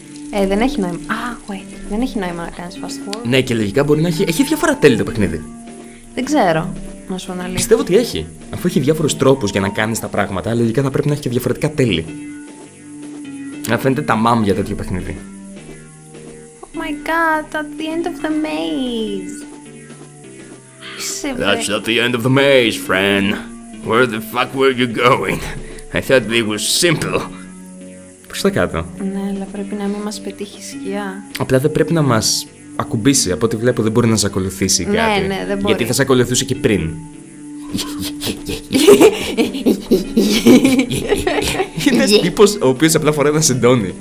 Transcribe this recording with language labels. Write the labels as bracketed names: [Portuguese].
[Greek] Δεν έχει νόημα. Wait. Δεν έχει νόημα να κάνεις fast forward. Ναι, και λογικά μπορεί να έχει. Έχει διάφορα τέλη το παιχνίδι. Δεν ξέρω, να σου αναλύσω. Πιστεύω ότι έχει. Αφού έχει διάφορους τρόπους για να κάνεις τα πράγματα, λογικά θα πρέπει να έχει και διαφορετικά τέλη. Να φαίνεται τα μάμ για τέτοιο παιχνίδι. [English] Oh my god, at the end of the maze. That's not the end of the maze, friend. Where the fuck were you going? I thought it was simple. [Greek] Προς τα κάτω. Ναι, αλλά πρέπει να μην μας πετύχει σκιά. Απλά δεν πρέπει να μας ακουμπήσει. Από ό,τι βλέπω δεν μπορεί να σε ακολουθήσει κάτι. Ναι, ναι, δεν μπορεί. Γιατί θα σε ακολουθούσε και πριν. Είναι ένας τύπος ο οποίος απλά φοράει ένα συντόνι.